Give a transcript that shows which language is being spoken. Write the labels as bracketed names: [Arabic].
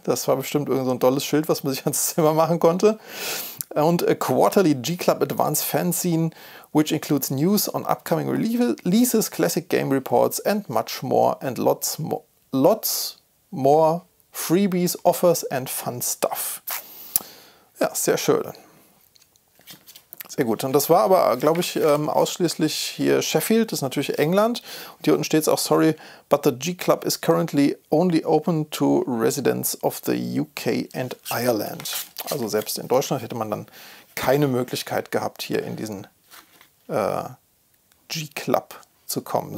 [German] Das war bestimmt irgend so ein tolles Schild, was man sich ans Zimmer machen konnte. [English] Und a Quarterly G Club Advance Fanzine, which includes news on upcoming releases, classic game reports and much more. And lots more freebies, offers and fun stuff. [German] Ja, sehr schön. Ja gut, und das war aber, glaube ich, ausschließlich hier Sheffield, das ist natürlich England. Und hier unten steht es auch, [English] sorry, but the G-Club is currently only open to residents of the UK and Ireland. [German] Also selbst in Deutschland hätte man dann keine Möglichkeit gehabt, hier in diesen G-Club zu kommen.